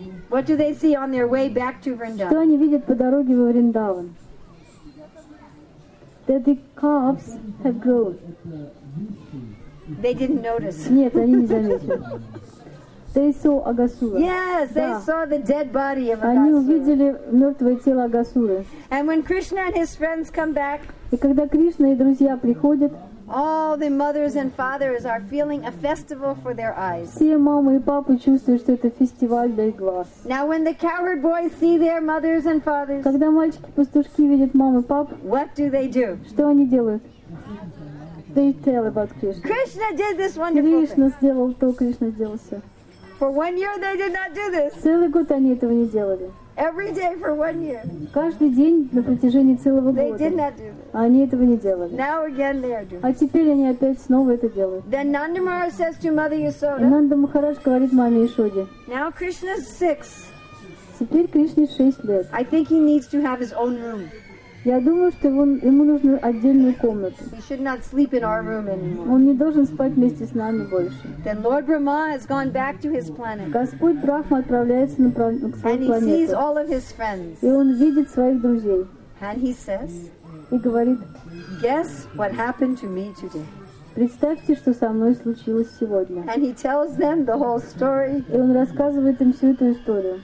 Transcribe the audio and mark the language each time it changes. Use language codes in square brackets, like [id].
[en] What do they see on their way back to Vrindavan? [ru] Что они видят по дороге во Вриндаван? [en] That the calves have grown. They didn't notice. [ru] Нет, они не заметили. [en] They saw [ru] Агасура. [en] Yes, they saw the dead body of Агасура. [ru] Они увидели мертвое тело Агасуры. [en] And when Krishna and his friends come back, [ru] и когда Кришна и друзья приходят, [en] all the mothers and fathers are feeling a festival for their eyes. [ru] Все мамы и папы чувствуют, что это фестиваль для их глаз. [en] Now when the cowherd boys see their mothers and fathers, [ru] когда мальчики-пастушки видят маму и папу, [en] what do they do? [ru] Что они делают? [en] They tell about Krishna. Krishna did this wonderful thing. [ru] Кришна сделал то, Кришна сделал все. [en] For 1 year they did not do this. [ru] Целый год они этого не делали. [en] Every day for 1 year. [ru] Каждый день на протяжении целого года. [en] They did not do this. [ru] Они этого не делали. [en] Now again they are doing. [ru] А теперь они опять снова это делают. [en] Then Nanda Maharaj says to Mother Yashoda. [ru] Нанда Махарадж говорит маме Ишоде. [en] Now Krishna is 6. [ru] Теперь Кришне 6 лет. [en] I think he needs to have his own room. [ru] Я думаю, что ему нужна отдельная комната. [en] He should not sleep in our room anymore. [ru] Он не должен спать вместе с нами больше. [en] Then Lord Brahma has gone back to his planet. [ru] Господь Брахма отправляется на свою планету. [en] And he sees all of his friends. [ru] И он видит своих друзей. [en] And he says, [ru] и говорит, [en] guess what happened to me today. [ru] Представьте, что со мной случилось сегодня. [en] And he tells them the whole story. [ru] И он рассказывает им всю эту историю.